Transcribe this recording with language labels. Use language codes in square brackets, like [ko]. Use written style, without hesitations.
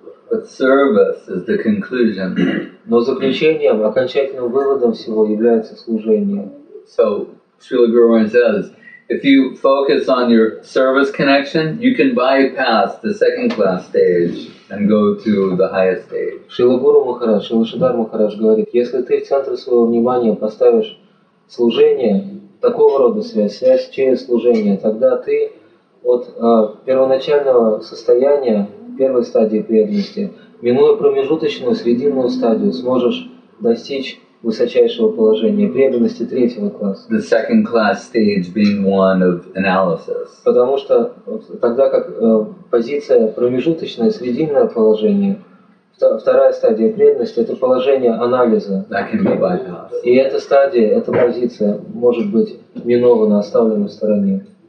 [en] But service is the conclusion. [ru] Но заключением, окончательным выводом всего является служение. [en] So Srila Guru Maharaj says, If you focus on your service connection, you can bypass the second class stage and go to the highest stage. [ru] Шрила Гуру Махарадж, Шрила Шридхар Махарадж говорит, если ты в центре своего внимания поставишь служение, такого рода связь, связь через служение, тогда ты от первоначального состояния, первой стадии преданности, минуя промежуточную, срединную стадию, сможешь достичь высочайшего положения, преданности третьего класса. [en] The second class stage being one of analysis. [ru] Потому что тогда как позиция промежуточное, срединное положение, вторая стадия преданности — это положение анализа. [en] That can be bypassed. [ru] И эта стадия, эта позиция может быть минована, оставлена в стороне.